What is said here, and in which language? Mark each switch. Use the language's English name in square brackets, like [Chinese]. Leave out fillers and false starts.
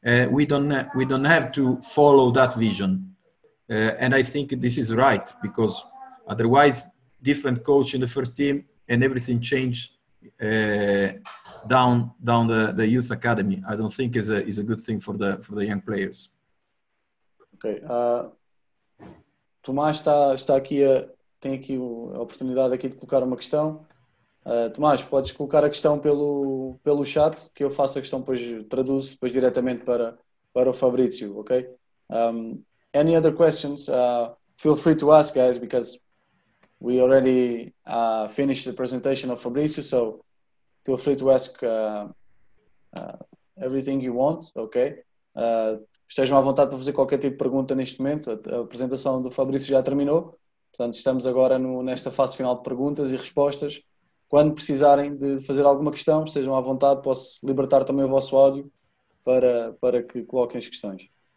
[English] We don't have to follow that vision. And I think this is right, because otherwise different coach in the first team and everything changed down the youth academy. I don't think is a good thing for the young players. Okay. [Portuguese] Tomás está aqui, tem aqui a oportunidade aqui de colocar uma questão. Tomás, podes colocar a questão pelo chat, que eu faço a questão, depois traduzo depois diretamente para o Fabrizio, ok? [English] Any other questions, feel free to ask, guys, because we already finished the presentation of Fabrizio, so feel free to ask everything you want, ok? [Portuguese] Estejam à vontade para fazer qualquer tipo de pergunta neste momento. A apresentação do Fabrizio já terminou, portanto estamos agora nesta fase final de perguntas e respostas. Quando precisarem de fazer alguma questão, estejam à vontade, posso libertar também o vosso áudio para que coloquem as questões.